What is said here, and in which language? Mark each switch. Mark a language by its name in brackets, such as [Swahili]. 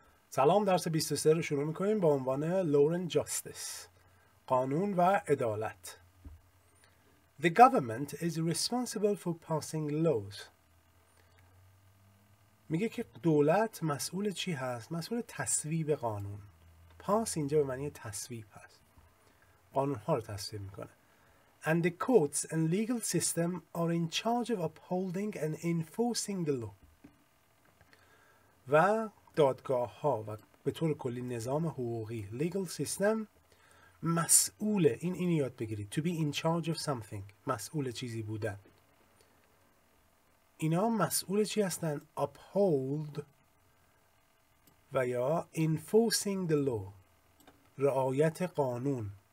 [Persian] سلام، درس 23 رو شروع میکنیم با عنوان [English] Lawren Justice، [Persian] قانون و عدالت. [English] The government is responsible for passing laws. [Persian] میگه که دولت مسئول چی هست؟ مسئول تصویب قانون. پاس اینجا به معنی تصویب هست. قانون ها رو تصویب میکنه. [English] And the courts and legal system are in charge of upholding and enforcing the law. [Persian] و دادگاه ها و به طور کلی نظام حقوقی legal system مسئول این یاد بگیرید [English] to be in charge of something، [Persian] مسئول چیزی بودن. اینا مسئول چی هستن؟ uphold و یا [English] enforcing the law، [Persian] رعایت قانون.